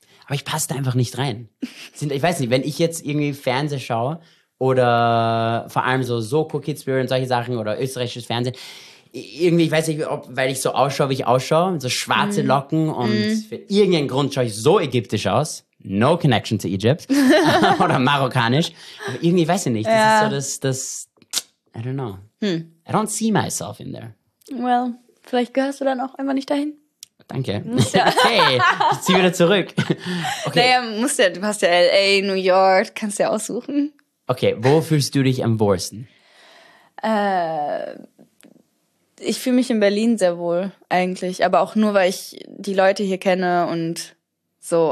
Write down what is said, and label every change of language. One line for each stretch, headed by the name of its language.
German: Aber ich passe da einfach nicht rein. Ich weiß nicht, wenn ich jetzt irgendwie Fernsehen schaue oder vor allem so Soko Kitzbühel und solche Sachen oder österreichisches Fernsehen, irgendwie, ich weiß nicht, ob, weil ich so ausschaue, wie ich ausschaue, so schwarze Locken und für irgendeinen Grund schaue ich so ägyptisch aus.
English: No connection to Egypt.
German: Oder marokkanisch. Aber irgendwie weiß ich nicht. Das ist so das
English: I don't know. I don't see myself in there.
German: Well, vielleicht gehörst du dann auch einfach nicht dahin. Danke. Hey, ich ziehe wieder zurück. Okay. Naja, du hast ja L.A., New York, kannst du ja aussuchen. Okay, wo fühlst du dich am wohlsten? Ich fühle mich in Berlin sehr wohl eigentlich, aber auch nur, weil ich die Leute hier kenne und so.